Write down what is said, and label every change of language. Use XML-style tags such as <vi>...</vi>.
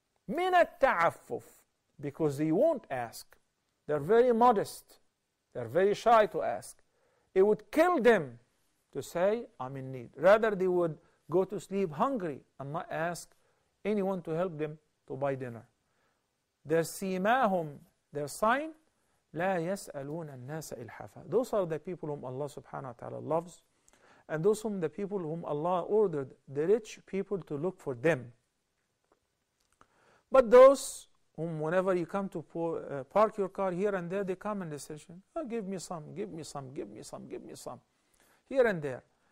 <ar>من التعفف, because they won't ask.</ar> <en>They're very modest. They're very shy to ask. It would kill them to say, I'm in need. Rather, they would go to sleep hungry and not ask anyone to help them to buy dinner. Their</en> <ar>سيماهم,</ar> <en>their sign,</en> <ar>لا يسألون الناس إلحافا.</ar> <en>Those are the people whom Allah subhanahu wa ta'ala loves, and those whom the people whom Allah ordered the rich people to look for them. But those whom, whenever you come to park your car here and there, they come and they say, oh, give me some, give me some, give me some, give me some, here and there.</en>